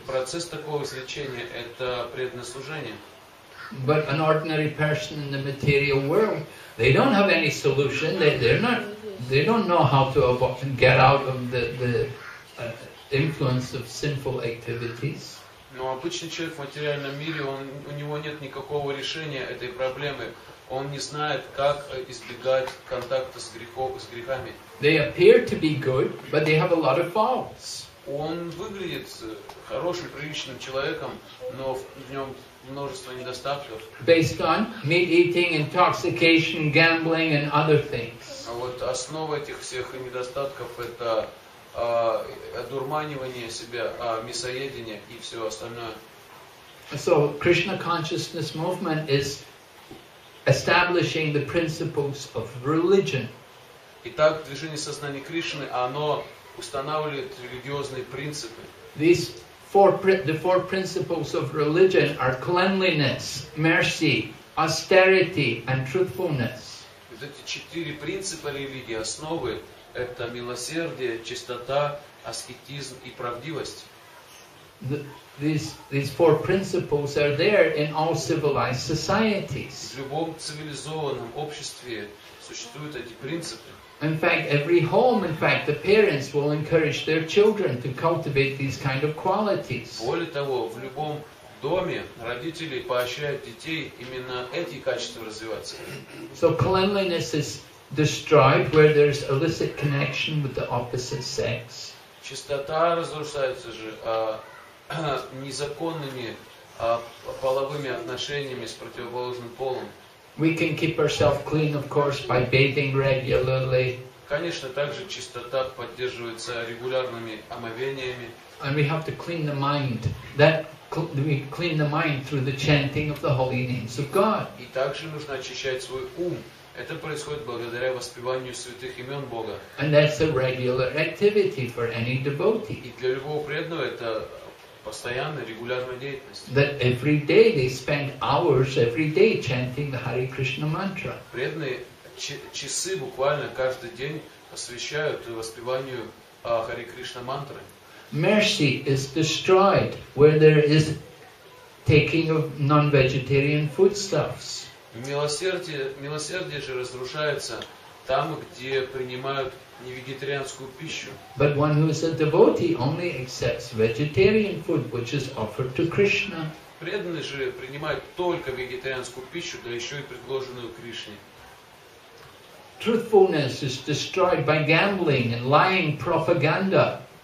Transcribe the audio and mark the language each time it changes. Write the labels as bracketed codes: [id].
[ru] Процесс такого излечения – это преданное служение. [en] But an ordinary person in the material world, they don't have any solution. They don't know how to get out of the influence of sinful activities. [ru] Но обычный человек в материальном мире, у него нет никакого решения этой проблемы. Он не знает, как избегать контакта с грехами. [en] They appear to be good, but they have a lot of faults. [ru] Он выглядит хорошим, приличным человеком, но в нем множество недостатков. [en] Based on meat eating, intoxication, gambling, and other things. [ru] А вот основа этих всех недостатков – это одурманивание себя, мясоедение и все остальное. [en] So, Krishna consciousness movement is establishing the principles of religion. [ru] Итак, движение сознания Кришны, оно устанавливает религиозные принципы. [en] The four principles of religion are cleanliness, mercy, austerity, and truthfulness. [ru] Эти четыре принципа религии, основы – это милосердие, чистота, аскетизм и правдивость. [en] These four principles are there in all civilized societies. [ru] В любом цивилизованном обществе существуют эти принципы. [en] In fact, every home, in fact, the parents will encourage their children to cultivate these kind of qualities. [ru] Более того, в любом доме родители поощряют детей именно эти качества развиваться. [en] So cleanliness is destroyed where there's illicit connection with the opposite sex. [ru] Чистота разрушается же незаконными половыми отношениями с противоположным полом. [en] We can keep ourselves clean, of course, by bathing regularly. [ru] Конечно, также чистота поддерживается регулярными омовениями. [en] And we have to clean the mind. We clean the mind through the chanting of the holy names of God. [ru] И также нужно очищать свой ум Это происходит благодаря воспеванию святых имен Бога. [en] And that's a regular activity for any devotee. [ru] И для любого преданного это постоянная, регулярная деятельность. [en] That every day they spend hours every day chanting the Hare Krishna mantra. [ru] Преданные часы буквально каждый день посвящают воспеванию Hare Krishna mantra. [en] Mercy is destroyed where there is taking of non-vegetarian foodstuffs. [ru] Милосердие же разрушается там, где принимают невегетарианскую пищу. [en] But one who is a devotee only accepts vegetarian food, which is offered to Krishna. [ru] Преданный же принимает только вегетарианскую пищу, да еще и предложенную Кришне. [en] Truthfulness is destroyed by gambling and lying propaganda.